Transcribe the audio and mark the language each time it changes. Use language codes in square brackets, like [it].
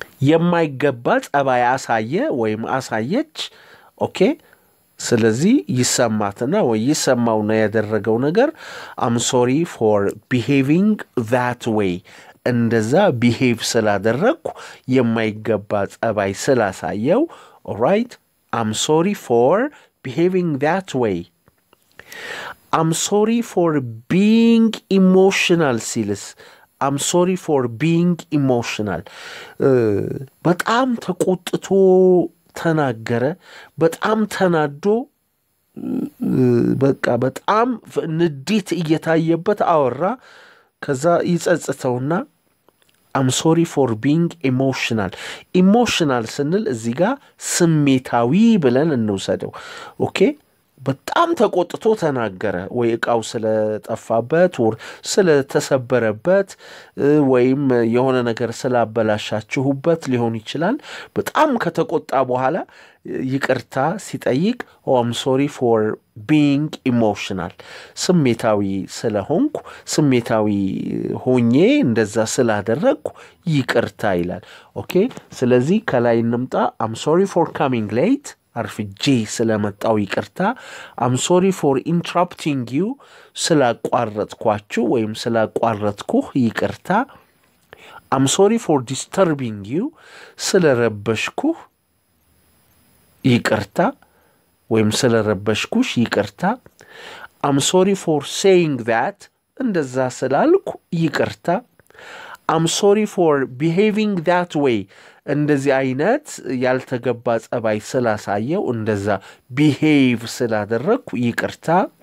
[am] የማይገባ ጸባይ አሳየ ወይም አሳየች. Okay? ስለዚህ ይሰማትና ወይ ይሰማው ነው ያደረገው ነገር. [en] I'm sorry for behaving that way. [am] እንደዛ behave ስላደረኩ የማይገባ ጸባይ ስላሳየው [en] alright I'm sorry for behaving that way I'm sorry for being emotional silas I'm sorry for being emotional [am] በጣም ተቆጥቶ ተናገረ በጣም ተናዶ በቃ በጣም ንዴት እየታየበት አወራ ከዛ ይጸጸተውና [en] I'm sorry for being emotional. [am] Emotional ስንል እዚህ ጋር ስሜታዊ ብለን እንውሰደው. Okay? በጣም ተቆጥቶ ተናገረ ወይ እቃው ስለጠፋበት ወይ ስለተሰበረበት ወይም የሆነ ነገር ስላበላሻችሁበት ሊሆን ይችላል. በጣም ከተቆጣ በኋላ ይቅርታ ሲጠይቅ [en] Oh, I'm sorry for being emotional. [am] ስሜታዊ ስለሆንኩ ስሜታዊ ሆኜ እንደዛ ስላደረግኩ ይቅርታ ይላል. Okay? ስለዚህ ከላይ እንምጣ [en] I'm sorry for coming late. [am] አርፍጄ ስለመጣው ይቅርታ [en] I'm sorry for interrupting you [am] ስላቋረጥኳችሁ ወይም ስላቋረጥኩህ ይቅርታ [en] I'm sorry for disturbing you [am] ስለረበሽኩህ ይቅርታ ወይም ስለረበሽኩሽ ይቅርታ [en] I'm sorry for saying that [am] እንደዛ ስላልኩ ይቅርታ [en] I'm sorry for behaving that way [am] እንደዚህ አይነት ያልተገባ ጸባይ ስላሳየው እንደዛ behave ስላደረኩ ይቅርታ